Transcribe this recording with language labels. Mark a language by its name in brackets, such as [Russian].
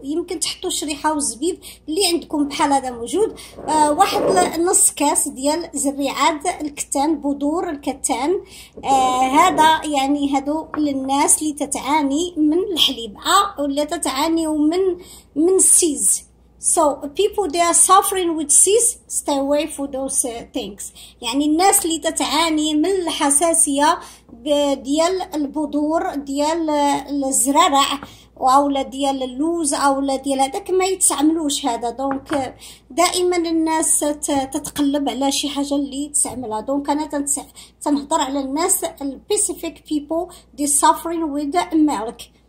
[Arabic] يمكن تحطوا شريحه وزبيب اللي عندكم بحال هذا موجود. واحد نص كاس ديال زريعات الكتان، بذور الكتان. هذا يعني هادو للناس اللي تتعاني من الحليب ولا تتعاني من سيز. [English] So people they are suffering with seeds, stay away from those things. [Arabic] يعني الناس اللي تتعاني من الحساسية ديال البذور ديال الزرع او ديال اللوز او ديال هذاك ما يتعملوش هذا. دونك دائما الناس تتقلب على شي حاجة اللي تستعملها. دونك انا تنهضر على الناس [English] specific people they suffering with milk.